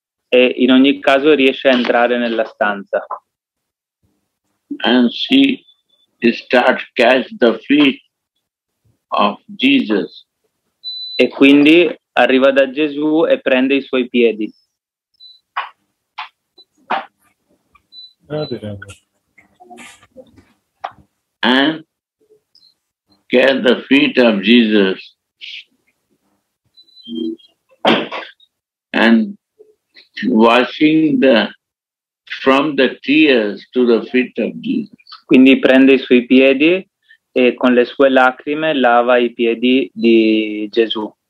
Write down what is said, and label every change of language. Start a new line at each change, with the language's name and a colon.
Italian: E in ogni caso riesce a entrare nella stanza.
English: And she start catch the feet of Jesus.
Italian: E quindi arriva da Gesù e prende i suoi piedi.
English: And get the feet of Jesus and washing the from the tears to the feet of Jesus.
Italian: Quindi prende i suoi piedi e con le sue lacrime lava i piedi di Gesù.